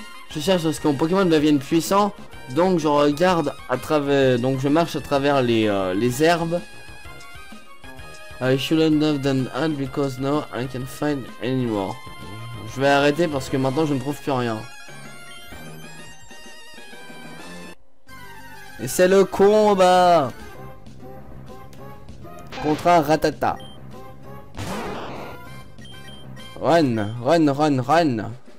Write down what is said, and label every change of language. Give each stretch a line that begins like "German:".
French: Je cherche à ce que mon Pokémon devienne puissant. Donc je regarde à travers. Donc je marche à travers les herbes.
English: I shouldn't have done that because now I can find anymore.
French: Je vais arrêter parce que maintenant je ne trouve plus rien. Et c'est le combat contre un Rattata.
English: Run, run, run, run.